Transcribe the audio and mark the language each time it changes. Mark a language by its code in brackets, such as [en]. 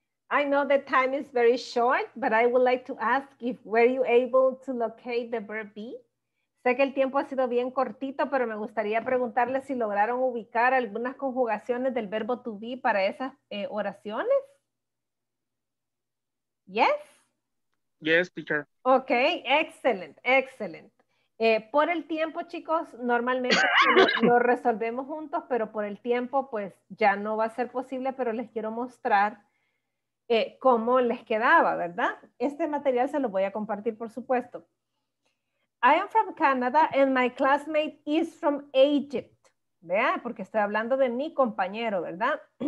[en] I know the time is very short, but I would like to ask if were you able to locate the verb be? [es] Sé que el tiempo ha sido bien cortito, pero me gustaría preguntarle si lograron ubicar algunas conjugaciones del verbo to be para esas oraciones. [en] Yes? Yes, teacher. Okay, excellent, excellent. [es] Por el tiempo, chicos, normalmente lo resolvemos juntos, pero por el tiempo, pues, ya no va a ser posible, pero les quiero mostrar cómo les quedaba, ¿verdad? Este material se lo voy a compartir, por supuesto. [en] I am from Canada and my classmate is from Egypt. [es] Vea, porque estoy hablando de mi compañero, ¿verdad?